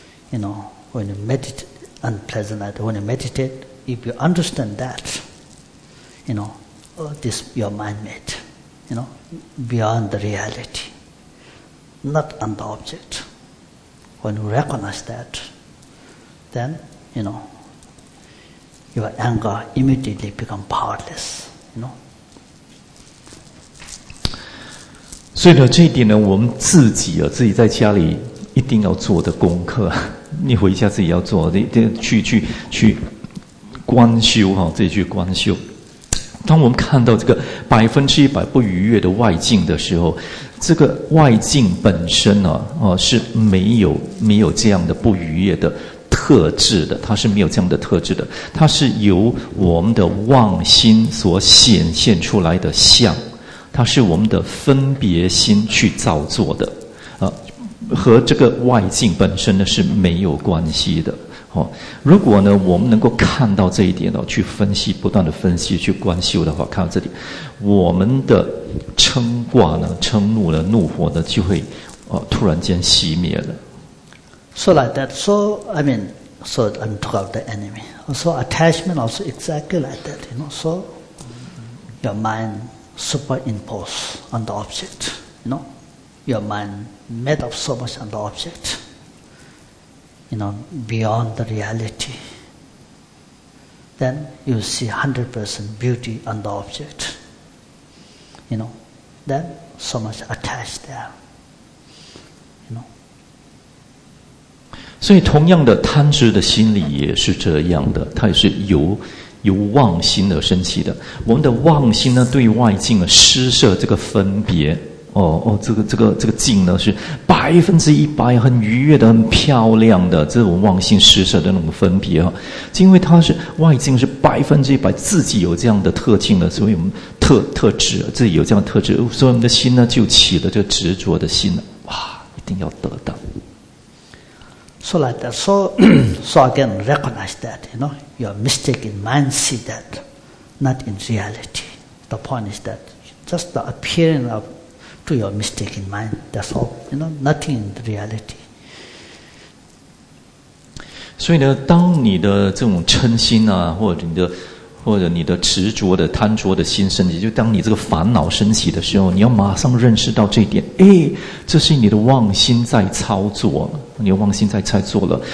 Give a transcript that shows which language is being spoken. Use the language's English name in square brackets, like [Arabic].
[English] You know, when you meditate unpleasant, when you meditate, if you understand that, you know, all this your mind made, you know, beyond the reality, not on the object. When you recognize that, then, you know,your anger immediately become powerless, you know. [Chinese] 所以呢，这一点呢，我们自己啊，自己在家里一定要做的功课，你回家自己要做，去观修哈，自己去观修。当我们看到这个百分之一百不愉悦的外境的时候，这个外境本身呢，是没有这样的不愉悦的特质的，它是没有这样的特质的，它是由我们的妄心所显现出来的相，它是我们的分别心去造作的，和这个外境本身呢是没有关系的。如果呢我们能够看到这一点呢，去分析，不断的分析去观修的话，看到这里，我们的嗔挂呢，嗔怒呢，怒火呢，就会突然间熄灭了。 [English] So like that. So I mean, so I'm talking about the enemy. So attachment also exactly like that. You know, so your mind superimposed on the object. You know, your mind made up so much on the object. You know, beyond the reality. Then you see 100% beauty on the object. You know, then so much attached there. [Chinese] 所以同样的贪执的心理也是这样的，它也是由妄心而升起的。我们的妄心呢，对外境啊施设这个分别，这个境呢是百分之一百很愉悦的，很漂亮的，这种妄心施设的那种分别啊，因为它是外境是百分之一百自己有这样的特性的，所以我们特质自己有这样的特质，所以我们的心呢就起了这个执着的心了，哇，一定定要得到。 [English] So like that. So, so again, recognize that, you know, your mistake in mind see that, not in reality. The point is that just the appearing of to your mistake in mind, that's all, you know, nothing in reality. [Chinese] 所以呢，当你的这种嗔心啊，或者你的执着的贪着的心升起，就当你这个烦恼升起的时候，你要马上认识到这一点，哎，这是你的妄心在操作，你的妄心在操作了。